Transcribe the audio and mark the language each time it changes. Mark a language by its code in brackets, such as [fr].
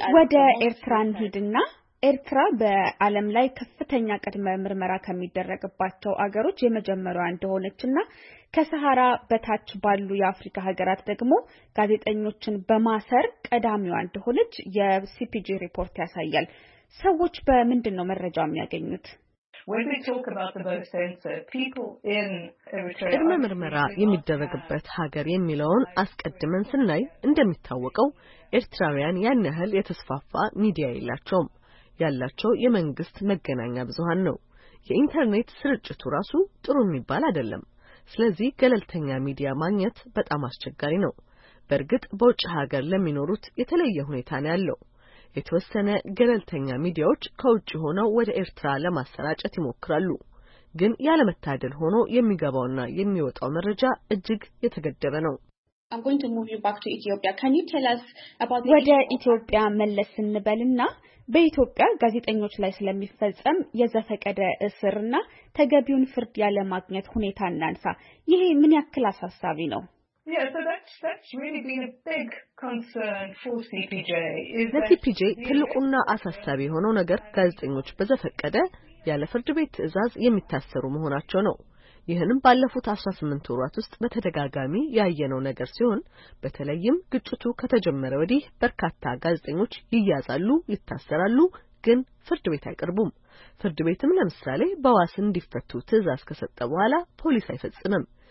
[en] as [am] ወደ ኤርትራ ሄድና ኤርትራ በዓለም ላይ ከፍተኛ ቅድመ ምርመራ ከሚደረግባቸው አገሮች የመጀመሪያው እንደሆነችና ከሰሃራ በታች ባሉ የአፍሪካ ሀገራት ደግሞ ጋዜጠኞችን በማሰር ቀዳሚው እንደሆነች የCPJ ሪፖርት ያሳያል። ሰዎች በመንድነው መረጃ የሚያገኙት? [en] When we talk about the boat censor, people in Eritrea [am] ቅድመ ምርመራ የሚደረግበት ሀገር የሚለውን አስቀድመን ስናይ እንደሚታወቀው ኤርትራውያን ያን ያህል የተስፋፋ ሚዲያ የላቸውም። ያላቸው የመንግስት መገናኛ ብዙሃን ነው። የኢንተርኔት ስርጭቱ ራሱ ጥሩ የሚባል አይደለም። ስለዚህ ገለልተኛ ሚዲያ ማግኘት በጣም አስቸጋሪ ነው። በርግጥ በውጭ ሀገር ለሚኖሩት የተለየ ሁኔታ ነው ያለው። የተወሰነ ገለልተኛ ሚዲያዎች ከውጭ ሆነው ወደ ኤርትራ ለማሰራጨት ይሞክራሉ። ግን ያለ መታደል ሆኖ የሚገባውና የሚወጣው መረጃ እጅግ የተገደበ ነው። [en] I'm going to move you back to Ethiopia. Can you tell us about the [am] ወደ ኢትዮጵያ መለስ እንበልና በኢትዮጵያ ጋዜጠኞች ላይ ስለሚፈጸም የዘፈቀደ እስርና ተገቢውን ፍርድ ያለ ማግኘት ሁኔታ እናንሳ። ይሄ ምን ያክል አሳሳቢ ነው? [en] Yeah, so that's really been a big concern for CPJ. The [am] CPJ ትልቁና አሳሳቢ የሆነው ነገር ጋዜጠኞች በዘፈቀደ ያለ ፍርድ ቤት ትዕዛዝ የሚታሰሩ መሆናቸው ነው። ይህንን ባለፉት 18 ወራት ውስጥ በተደጋጋሚ ያየነው ነገር ሲሆን በተለይም ግጭቱ ከተጀመረ ወዲህ በርካታ ጋዜጠኞች ይያዛሉ፣ ይታሰራሉ፣ ግን ፍርድ ቤት አይቀርቡም። ፍርድ ቤትም ለምሳሌ በዋስ እንዲፈቱ ትዕዛዝ ከሰጠ በኋላ ፖሊስ አይፈጽምም።